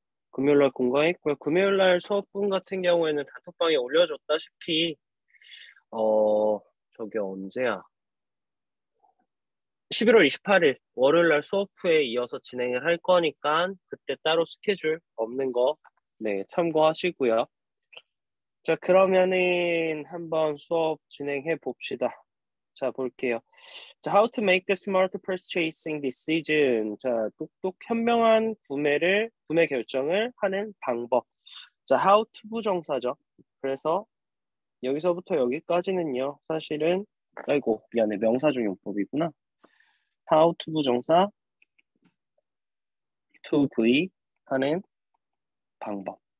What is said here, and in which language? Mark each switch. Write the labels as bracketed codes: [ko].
[ko] 금요일날 공강했고요. 금요일날 수업분 같은 경우에는 단톡방에 올려줬다시피, 저게 언제야? 11월 28일, 월요일날 수업 후에 이어서 진행을 할 거니까, 그때 따로 스케줄 없는 거, 네, 참고하시고요. 자, 그러면은 한번 수업 진행해 봅시다. 자, 볼게요. [en] 자, How to make a smart purchasing decision. [ko] 자, 똑똑 현명한 구매 결정을 하는 방법. 자, [en] How to [ko] 부정사죠. 그래서 여기서부터 여기까지는요. 사실은, 아이고, 미안해. 명사적 용법이구나. [en] How to [ko] 부정사, to V 하는 방법.